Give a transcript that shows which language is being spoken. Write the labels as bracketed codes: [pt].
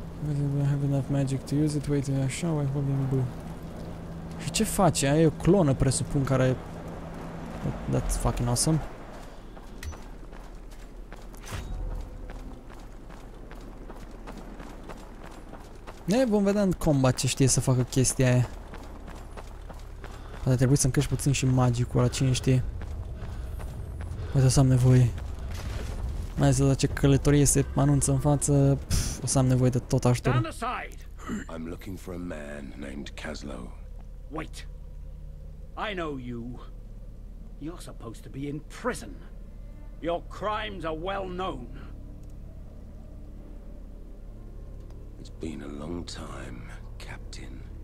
[en] I don't have enough magic to use it, wait, [ro] așa, [en] why holding B. [ro] Și ce face? Aia e o clonă, presupun, care... [en] That's fucking awesome. [ro] Ne vom vedea în combat ce știe să facă chestia aia. Poate trebuie să-mi crești puțin și magicul ăla, cine știe. Poate o să am nevoie. Mai ales la ce călătorie se anunță în față, o să am nevoie de tot ajutorul. [en] I'm looking for a man named Caslo. Wait. I know you. You're supposed to be in prison. Your crimes are well known. It's been a long time, Captain.